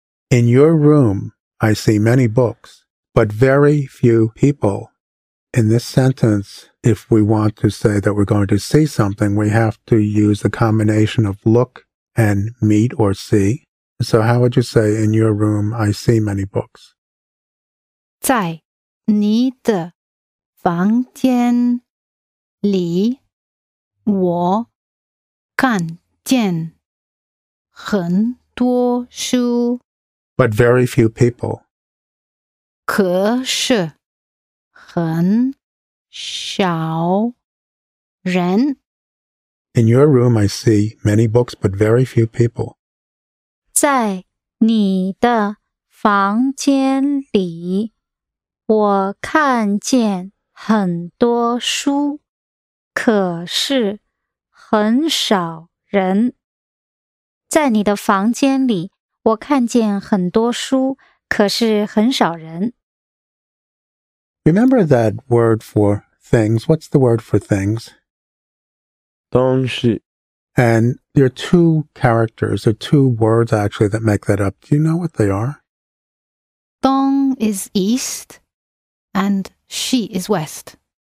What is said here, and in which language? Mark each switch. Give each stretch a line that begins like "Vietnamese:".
English: In your room, I see many books, but very few people. In this sentence, if we want to say that we're going to see something, we have to use the combination of look and meet or see. So how would you say, in your room, I see many books?
Chinese: 在你的房间里我看见很多书
English: But very few people.
Chinese: 可是很少人
English: In your room, I see many books, but very few people.
Chinese: 在你的房间里，我看见很多书，可是很少人。在你的房间里，我看见很多书，可是很少人。
English: Remember that word for things. What's the word for things?
Chinese: 东西
English: And there are two characters, or two words actually that make that up. Do you know what they are? 东 is east, and 西 is west.